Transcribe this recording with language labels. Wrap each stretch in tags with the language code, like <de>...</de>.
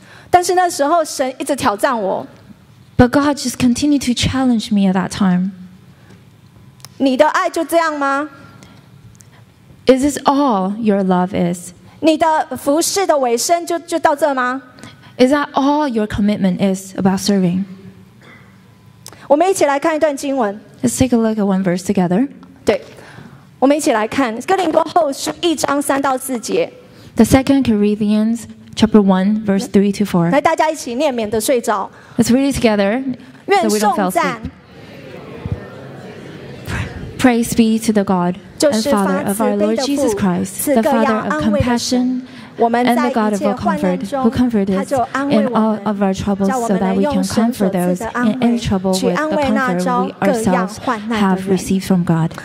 <zh>但是那时候神一直挑战我。</zh> <en>But God just continued to challenge me at that time.</en> <zh>你的爱就这样吗？</zh> <en>Is this all your love is?</en> <zh>你的服事的尾声就到这吗？</zh> <en>Is that all your commitment is about serving?</en> <zh>我们一起来看一段经文。</zh> <en>Let's take a look at one verse together.</en> <zh>对，我们一起来看哥林多后书一章三到四节。</zh> <en>The Second Corinthians Chapter 1, verse 3 to 4.</en> <zh>来，大家一起念，免得睡着。</zh> <en>Let's read it together.</en> <zh>愿颂赞。</zh> <en>Praise be to the God and Father of our Lord Jesus Christ, the Father of compassion and the God of all comfort, who comforted us in all of our troubles so that we can comfort those in any trouble with the comfort we ourselves have received from God.</en>